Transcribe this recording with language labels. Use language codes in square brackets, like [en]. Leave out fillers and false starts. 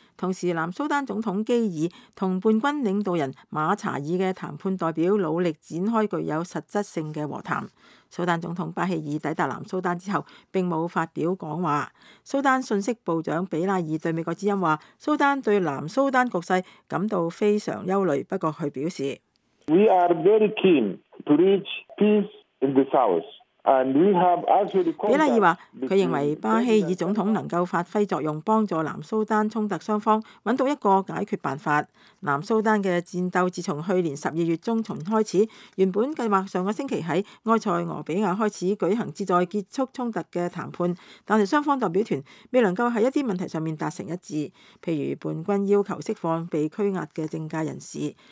[zh] 同时南苏丹总统基尔和叛军领导人马查尔的谈判代表努力展开具有实质性的和谈。苏丹总统巴希尔抵达南苏丹之后并没有发表讲话。苏丹信息部长比拉尔对美国之音说，苏丹对南苏丹局势感到非常忧虑，不过他表示 [en] We are very keen to reach peace in the south. [zh] 比拉尔说，他认为巴希尔总统能够发挥作用，帮助南苏丹冲突双方找到一个解决办法。南苏丹的战斗自从去年12月中重开始，原本计划上个星期在埃塞俄比亚开始举行旨在结束冲突的谈判，但是双方代表团未能够在一些问题上达成一致，譬如叛军要求释放被拘押的政界人士。